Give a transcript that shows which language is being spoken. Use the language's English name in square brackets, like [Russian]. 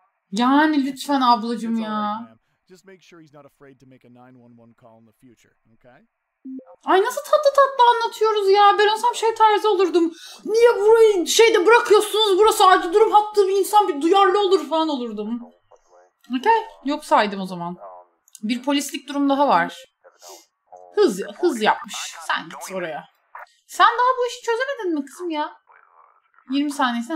[Turkish] Yani lütfen ablacığım ya. [English] Just make sure he's not afraid to make a 911 call in the future, okay? [Turkish] Ay, nasıl tatlı tatlı anlatıyoruz ya. Ben olsam şey tarzı olurdum. Niye burayı şeyde bırakıyorsunuz? Burası acil durum hattı, bir insan bir duyarlı olur falan olurdum. Okay, yok saydım o zaman. Bir polislik durum daha var. Hız yapmış. Sen git oraya. Sen daha bu işi çözemedin mi kızım ya? 20 saniyesin.